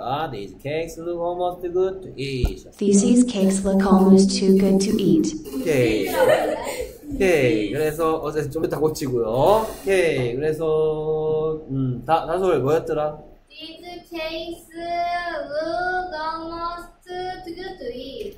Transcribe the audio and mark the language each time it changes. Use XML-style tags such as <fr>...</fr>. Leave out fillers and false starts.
<en>These cakes look almost too good to eat. These cakes look almost too good to eat. Okay. Okay.</en> <ko>그래서 어제 좀 이따 고치고요. Okay. 그래서 다솔 뭐였더라?</ko> <en>These cakes look almost too good to eat.</en>